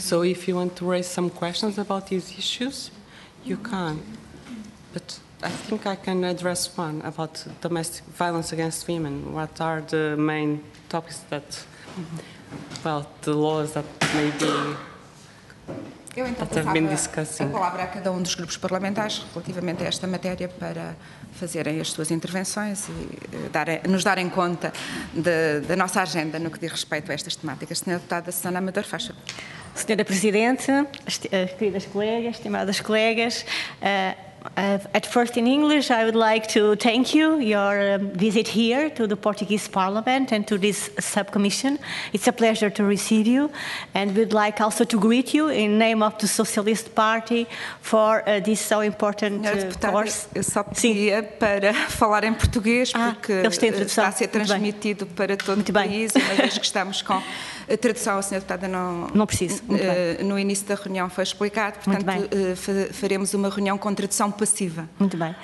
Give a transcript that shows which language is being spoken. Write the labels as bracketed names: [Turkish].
[English] So if you want to raise some questions about these issues, you can. But I think I can address one about domestic violence against women. What are the main topics that, well, the laws that may be... [Portuguese] Eu então passava a palavra a cada um dos grupos parlamentares relativamente a esta matéria para fazerem as suas intervenções e nos darem conta da nossa agenda no que diz respeito a estas temáticas. Senhora Deputada Susana Amador, faça. Senhora Presidente, queridas colegas, estimadas colegas, [English] at first in English I would like to thank you your visit here to the Portuguese Parliament and to this subcommission. It's a pleasure to receive you, and we'd like also to greet you in name of the Socialist Party for this so important course. [Portuguese] Eu só pedia para falar em português porque está a ser transmitido para todo o país, uma vez que estamos com a tradução. A senhora deputada não precisa. No início da reunião foi explicado, portanto faremos uma reunião com tradução passiva. Muito bem.